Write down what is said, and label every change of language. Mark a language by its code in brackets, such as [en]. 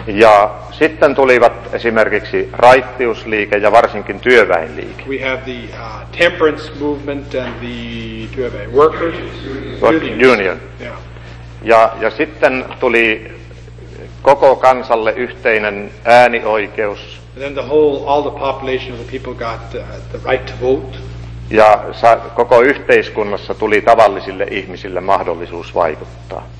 [fi] Ja sitten tulivat esimerkiksi raittiusliike ja varsinkin työväenliike. [en] We have the temperance movement and the workers union. [fi] Ja sitten tuli koko kansalle yhteinen äänioikeus. [en] And then the whole, all the population of the people got the right to vote. [fi] Ja koko yhteiskunnassa tuli tavallisille ihmisille mahdollisuus vaikuttaa.